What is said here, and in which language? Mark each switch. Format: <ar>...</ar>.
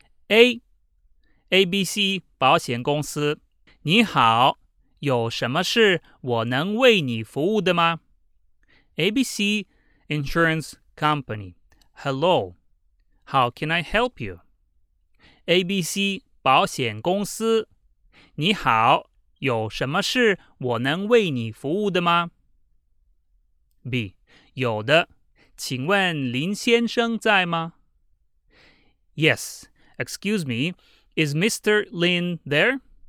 <zh>A ABC 保险公司你好有什么事我能为你服务的吗?</zh> <en>ABC Insurance Company Hello, how can I help you?</en> <zh>ABC 保险公司你好有什么事我能为你服务的吗? B 有的请问林先生在吗?</zh> <en>Yes, excuse me, is Mr. Lin there?</en>